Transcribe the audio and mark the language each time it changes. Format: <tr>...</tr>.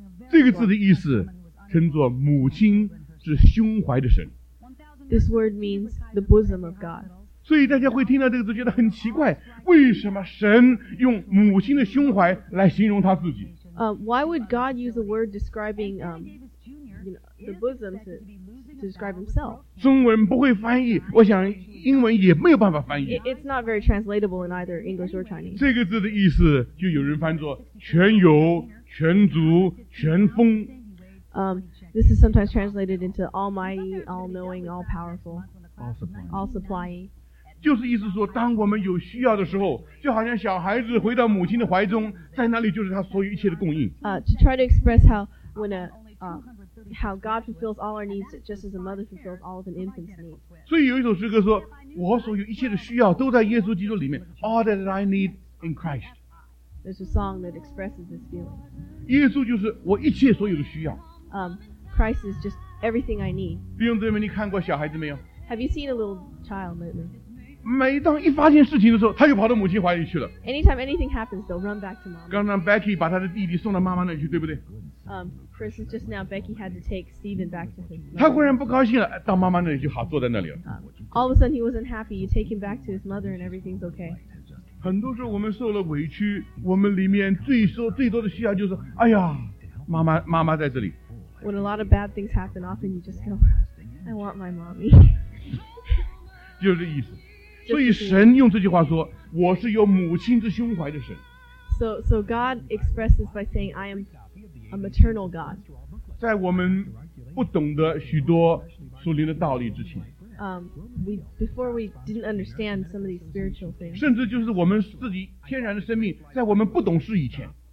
<zh>这个字的意思称作母亲是胸怀的神。</zh> <en>This word means the bosom of God.</en> <zh>所以大家会听到这个字觉得很奇怪为什么神用母亲的胸怀来形容他自己、</zh> <en>Why would God use a word describing the bosom to describe himself?</en> <zh>中文不会翻译我想英文也没有办法翻译</zh> <en>It's not very translatable in either English or Chinese.</en> <zh>这个字的意思就有人翻作全有全足全丰、</zh> <en>This is sometimes translated into almighty, all-knowing, all-powerful, all-supplying. All</en> <zh>就是意思说当我们有需要的时候就好像小孩子回到母亲的怀中在那里就是他所有一切的供应、</zh> <en>To try to express how when how God fulfills all our needs just as a mother fulfills all of an infant's needs</en> <zh>所以有一首诗歌说我所有一切的需要都在耶稣基督里面</zh> <en>All that I need in Christ There's a song that expresses this feeling</en> <zh>耶稣就是我一切所有的需要、</zh> <en>Christ is just everything I need</en> <zh>弟兄姊妹你看过小孩子没有</zh> <en>Have you seen a little child lately?</en> <zh>每当一发现事情的时候他就跑到母亲怀里去了</zh> <en>Anytime anything happens they'll run back to mom</en> <zh>刚刚 Becky 把他的弟弟送到妈妈那去对不对、</zh> <en>Chris is just now Becky had to take Stephen back to his</en> <zh>mother 他忽然不高兴了到妈妈那里就好坐在那里了、</zh> <en>All of a sudden he wasn't happy you take him back to his mother and everything's okay</en> <zh>很多时候我们受了委屈我们里面最多的需要就是哎呀妈妈在这里</zh> <en>When a lot of bad things happen often you just go I want my mommy</en> <zh>就是这意思所以神用这句话说我是有母亲之胸怀的神</zh> <en>so God expresses by saying I am a maternal God</en> <zh>在我们不懂得许多属灵的道理之前、</zh> <en>before we didn't understand some of these spiritual things</en> <zh>甚至就是我们自己天然的生命在我们不懂事以前、</zh>